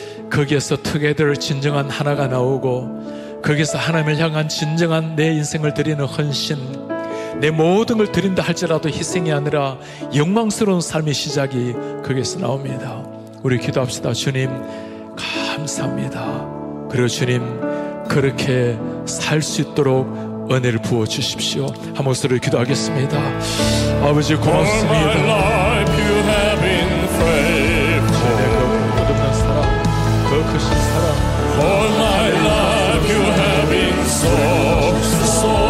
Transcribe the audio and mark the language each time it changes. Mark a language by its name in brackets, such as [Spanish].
[Korean] 거기에서 together 진정한 하나가 나오고, 거기서 하나님을 향한 진정한 내 인생을 드리는 헌신, 내 모든 걸 드린다 할지라도 희생이 아니라 영광스러운 삶의 시작이 거기에서 나옵니다. 우리 기도합시다. 주님 감사합니다. 그리고 주님 그렇게 살 수 있도록 은혜를 부어주십시오. 한 목소리로 기도하겠습니다. 아버지 고맙습니다. [English] All my life you have been faithful. [Korean] 내 그 거듭난 사랑, 그 크신 사랑. [English] All my life you have been so.